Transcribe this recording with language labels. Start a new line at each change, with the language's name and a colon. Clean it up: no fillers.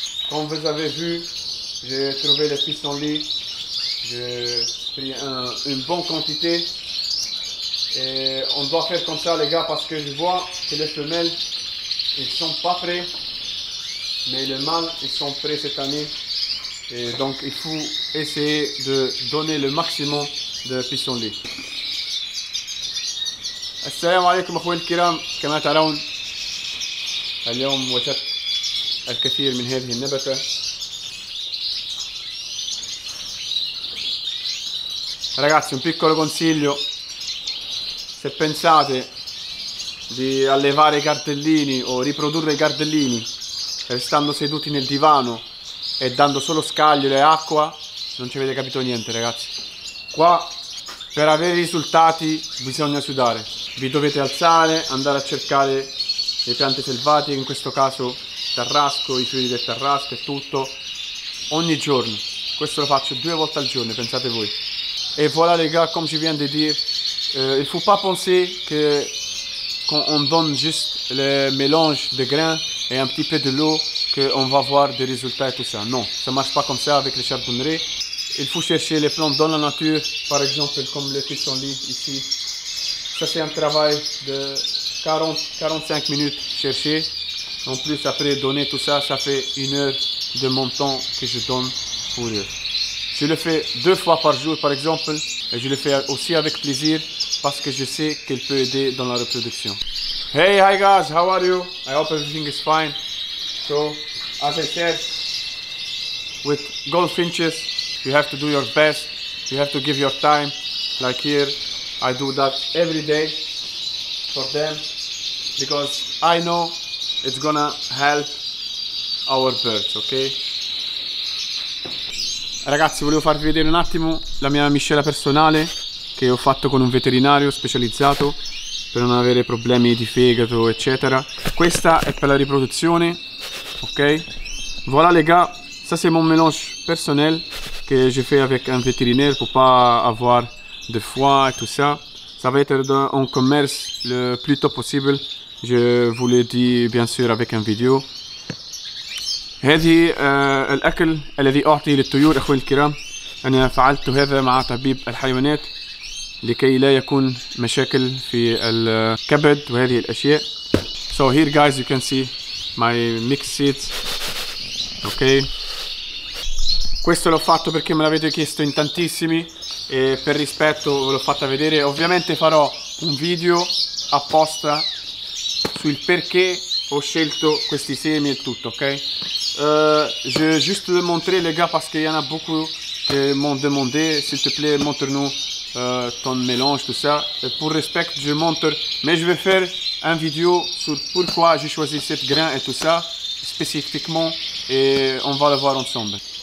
French: Comme vous avez vu, j'ai trouvé les pistons-lits. J'ai pris une bonne quantité et on doit faire comme ça les gars parce que je vois que les femelles ils sont pas prêts mais les mâles ils sont prêts cette année et donc il faut essayer de donner le maximum de pistons-lits.
Arabic: Assalamu alaikum akhoui el kiram, kama taraoun اليوم وجدت الكثير من هذه النبتة.
Italian: Ragazzi, un piccolo consiglio: se pensate di allevare i cardellini o riprodurre i cardellini restando seduti nel divano e dando solo scaglie e acqua, non ci avete capito niente, ragazzi. Qua per avere risultati bisogna sudare, vi dovete alzare, andare a cercare le piante selvatiche, in questo caso il tarrasco, i fiori del tarrasco e tutto, ogni giorno. Questo lo faccio due volte al giorno, pensate voi.
French: Et voilà les gars, comme je viens de dire, il ne faut pas penser que quand on donne juste le mélange de grains et un petit peu de l'eau, qu'on va voir des résultats et tout ça. Non, ça ne marche pas comme ça avec les charbonneries. Il faut chercher les plantes dans la nature, par exemple comme le pissenlit ici. Ça c'est un travail de 40-45 minutes chercher. En plus après donner tout ça, ça fait une heure de mon temps que je donne pour eux. Je le fais deux fois par jour par exemple et je le fais aussi avec plaisir parce que je sais qu'elle peut aider dans la reproduction.
English: Hey, hi guys, how are you? I hope everything is fine. So, as I said, with goldfinches, you have to do your best, you have to give your time. Like here, I do that every day for them because I know it's gonna help our birds, okay?
Italian: Ragazzi, volevo farvi vedere un attimo la mia miscela personale che ho fatto con un veterinario specializzato per non avere problemi di fegato, eccetera. Questa è per la riproduzione, ok?
French: Voilà les gars, ça c'est mon mélange personnel que j'ai fait avec un vétérinaire pour pas avoir de foie et tout ça. Ça va être dans un commerce le plus tôt possible. Je vous le dis bien sûr avec un vidéo.
Arabic: هذه الأكل الذي أعطيه للطيور أخوي الكرام. أنا فعلت هذا مع طبيب الحيوانات لكي لا يكون مشاكل في الكبد وهذه الأشياء.
English: So here guys you can see my mixed seeds. Okay.
Italian: Questo l'ho fatto perché me l'avete chiesto in tantissimi e per rispetto ve l'ho fatta vedere. Ovviamente farò un video apposta sul perché ho scelto questi semi e tutto, ok?
French: Je vais juste vous montrer les gars parce qu'il y en a beaucoup qui m'ont demandé, s'il te plaît montre-nous ton mélange, tout ça. Et pour respect, je montre, mais je vais faire un vidéo sur pourquoi j'ai choisi cette grain et tout ça, spécifiquement, et on va le voir ensemble.